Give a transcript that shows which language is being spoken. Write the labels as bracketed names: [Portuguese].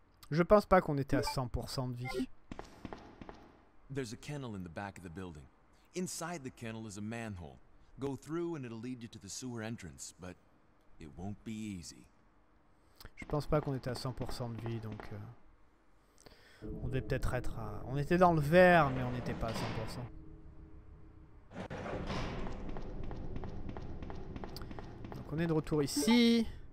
[French] Je pense pas qu'on était à 100% de vie. [English] There's a kennel in the back of the building. Inside the kennel is a manhole. Go through and it'll lead you to the sewer entrance, but it won't be easy. [French] Je pense pas qu'on était à 100% de vie, donc on devait peut-être être à... On était dans le vert, mais on n'était pas à 100%. Donc on est de retour ici.